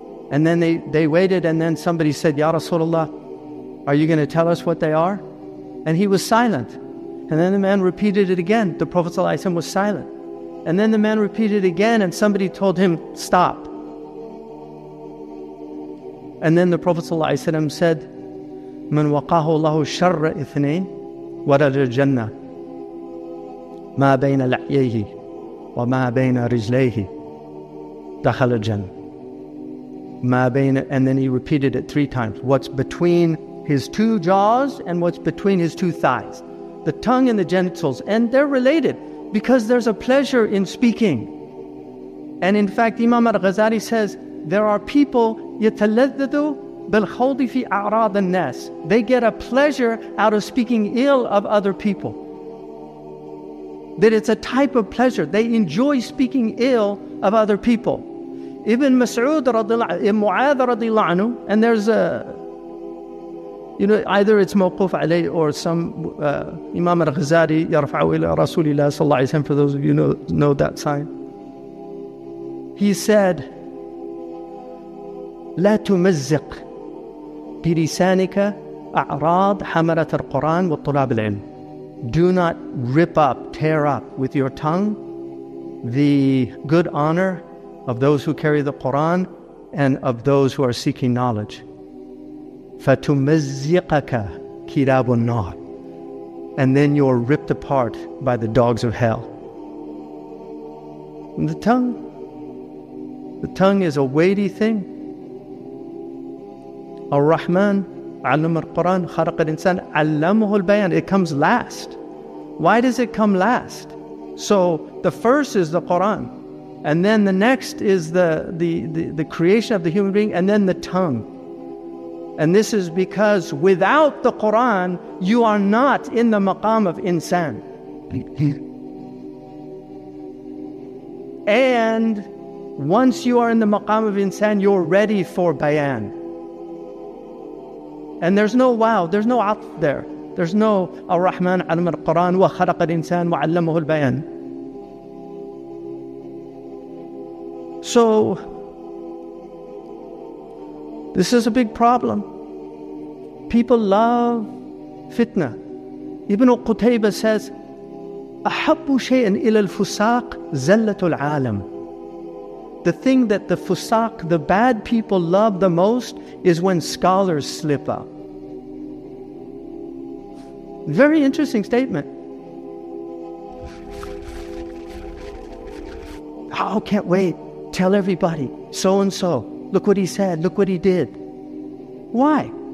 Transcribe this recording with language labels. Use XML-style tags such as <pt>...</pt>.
<en>And then they waited, and then somebody said, Ya Rasulullah, are you going to tell us what they are? And he was silent. And then the man repeated it again. The Prophet ﷺ was silent. And then the man repeated it again, and somebody told him, stop. And then the Prophet ﷺ said,</en> <ar>مَنْ وَقَاهُ اللَّهُ شَرَّ اثنين وَلَجَ الْجَنَّةِ مَا بَيْنَ لَحْيَيْهِ وَمَا بَيْنَ رِجْلَيْهِ دَخَلَ الْجَنَّةِ مَا بَيْنَ.</ar> <en>And then he repeated it three times. What's between his two jaws and what's between his two thighs. The tongue and the genitals. And they're related because there's a pleasure in speaking. And in fact, Imam al-Ghazali says, there are people,</en> <ar>يَتَلَذَّذُوا بِالْخَوْضِ فِي أَعْرَاضِ النَّاسِ.</ar> <en>They get a pleasure out of speaking ill of other people. That it's a type of pleasure. They enjoy speaking ill of other people. Ibn Mas'ud radiallahu anhu, and there's a, you know, either it's mawquf alayhi or some Imam al-Ghazali, yarfa'u ila Rasulillah sallallahu alayhi wa sallam, for those of you who know that sign. He said,</en> <ar>لا تمزق بلسانك أعراض حملة القرآن والطلاب العلم.</ar> <en>Do not rip up, tear up with your tongue the good honor of those who carry the Quran and of those who are seeking knowledge.</en> <ar>فَتُمَزِّقَكَ كِلَابُ النَّارِ,</ar> <en>and then you're ripped apart by the dogs of hell. And the tongue is a weighty thing.</en> <ar>Ar-Rahman, عَلَّمَ الْقُرْآنَ خَلَقَ الْإِنسَانَ عَلَّمَهُ الْبَيَانَ.</ar> <en>It comes last. Why does it come last? So the first is the Qur'an, and then the next is the creation of the human being, and then the tongue. And this is because without the Qur'an, you are not in the maqam of insan. And once you are in the maqam of insan, you're ready for bayan. And there's no wow, there's no atf there. There's no Ar-Rahman, alim al-Qur'an, wa khalaq al-insan, wa allamahu al-bayan. So, this is a big problem. People love fitna. Ibn Qutayba says,</en> <ar>أَحَبُّ شَيْءٍ إِلَى الْفُسَاقِ زَلَّةُ الْعَالَمِ.</ar> <en>The thing that the fusaq, the bad people, love the most is when scholars slip up. Very interesting statement. Oh, can't wait. Tell everybody, so-and-so, look what he said, look what he did. Why?</en>